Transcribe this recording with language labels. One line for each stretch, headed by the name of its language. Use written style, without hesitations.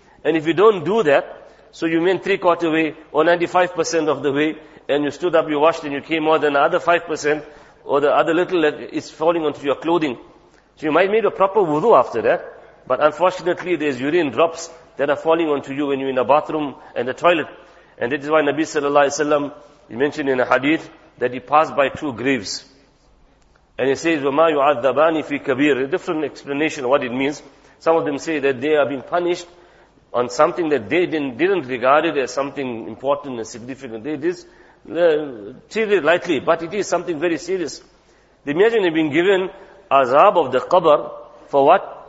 English: And if you don't do that, so you mean 3/4 way or 95% of the way and you stood up, you washed and you came more than the other 5% or the other little that is falling onto your clothing. So you might make a proper wudu after that, but unfortunately there's urine drops that are falling onto you when you're in the bathroom and the toilet. And that is why Nabi Sallallahu Alaihi Wasallam, he mentioned in a hadith that he passed by two graves. And he says,
Arabic: وَمَا يُعَذَّبَانِ فِي كَبِيرٍ.
English: Different explanation of what it means. Some of them say that they are being punished on something that they didn't regard it as something important and significant. They just treat it lightly, but it is something very serious. Imagine they've been given azab of the qabr for what?